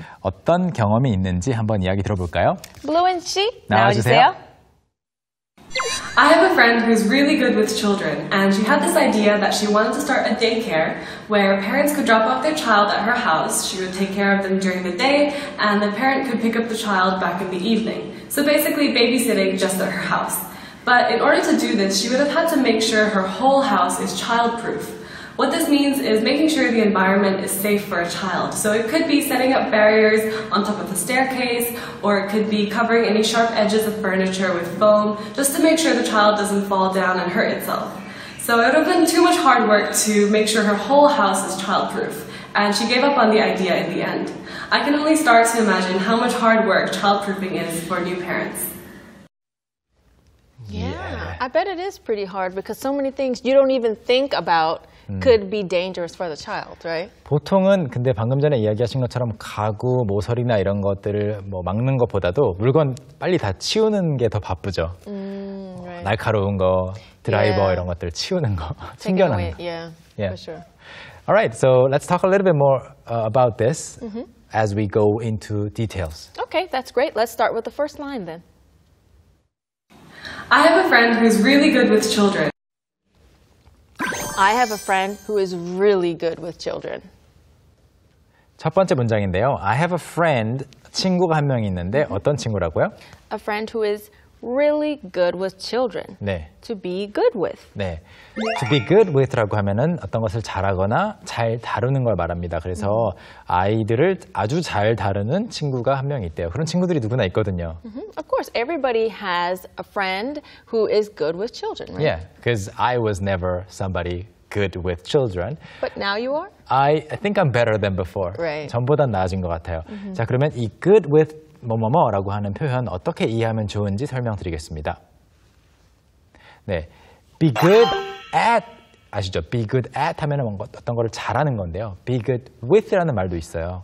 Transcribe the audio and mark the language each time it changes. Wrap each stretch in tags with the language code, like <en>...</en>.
<ko>어떤 경험이 있는지 한번 이야기 들어볼까요? 블루인스 씨, 나와주세요.</ko> <en>I have a friend who's really good with children, and she had this idea that she wanted to start a daycare where parents could drop off their child at her house, she would take care of them during the day, and the parent could pick up the child back in the evening. So basically babysitting just at her house. But in order to do this, she would have had to make sure her whole house is childproof. What this means is making sure the environment is safe for a child. So it could be setting up barriers on top of the staircase, or it could be covering any sharp edges of furniture with foam, just to make sure the child doesn't fall down and hurt itself. So it would have been too much hard work to make sure her whole house is childproof, and she gave up on the idea in the end. I can only start to imagine how much hard work childproofing is for new parents. Yeah, I bet it is pretty hard because so many things you don't even think about could be dangerous for the child, right?</en> <ko>보통은 근데 방금 전에 이야기하신 것처럼 가구, 모서리나 이런 것들을 뭐 막는 것보다도 물건 빨리 다 치우는 게 더 바쁘죠.</ko> <en>Right.</en> <ko>날카로운 거, 드라이버 이런 것들 치우는 거, 챙겨놓는 거.</ko> <en>Yeah, yeah, for sure. All right, so let's talk a little bit more about this as we go into details. Okay, that's great. Let's start with the first line then. I have a friend who's really good with children. I have a friend who is really good with children.</en> <ko>첫 번째 문장인데요.</ko> <en>I have a friend,</en> <ko>친구가 한 명 있는데 어떤 친구라고요?</ko> <en>A friend who is really good with children.</en> <ko>네.</ko> <en>To be good with.</en> <ko>네.</ko> <en>To be good with</en> <ko>라고 하면은 어떤 것을 잘하거나 잘 다루는 걸 말합니다. 그래서 아이들을 아주 잘 다루는 친구가 한 명 있대요. 그런 친구들이 누구나 있거든요.</ko> <en>Of course, everybody has a friend who is good with children, right? Yeah, because I was never somebody good with children. But now you are? I think I'm better than before. Right.</en> <ko>전보단 나아진 것 같아요. 자, 그러면 이 good with 뭐뭐뭐라고 하는 표현 어떻게 이해하면 좋은지 설명드리겠습니다. 네,</ko> <en>be good at</en> <ko>아시죠? Be good at 하면은 뭔가 어떤 거를 잘하는 건데요. Be good with라는 말도 있어요.</ko>